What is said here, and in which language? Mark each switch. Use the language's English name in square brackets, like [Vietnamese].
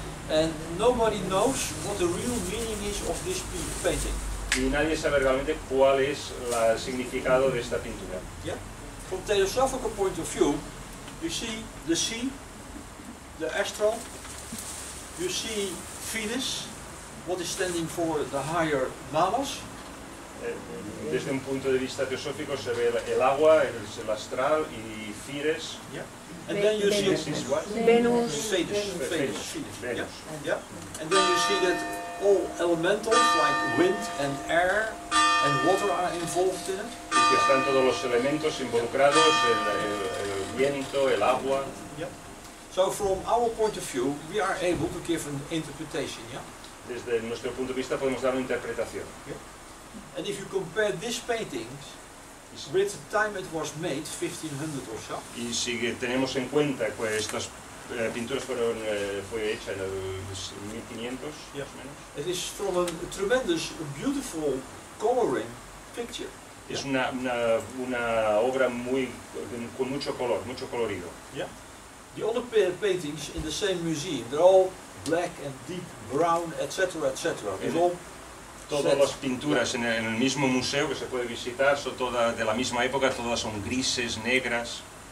[English] And nobody knows what the real meaning is of this painting. [Spanish] Y nadie sabe realmente cuál es el significado de esta pintura. [English] Yeah. From theosophical point of view, you see the sea, the astral. You see Venus, what is standing for the higher manas. [Spanish] Desde un punto de vista teosófico se ve el agua, el astral y Fires. [English] Yeah. And then you see Venus. Yeah. And then you see that all elementals like wind and air and water are involved in it. [Spanish] Que están todos los elementos involucrados, el viento, el agua. [English] Yeah. So from our point of view, we are able to give an interpretation. Yeah. [Spanish] Desde nuestro punto de vista podemos dar una interpretación. [English] Yeah. And if you compare this painting with the time it was made, 1500 or so. [Spanish] Y si tenemos en cuenta que estas pinturas fueron hechas en el 1500, [English] yes, menos. It is from a tremendous, beautiful coloring picture. [Spanish] Es una obra muy con mucho color, mucho colorido. [English] Yeah. The other paintings in the same museum, they're all black and deep brown, etc., etc. [Spanish] Todas las pinturas en el mismo museo que se puede visitar son todas de la misma época, todas son grises, negras.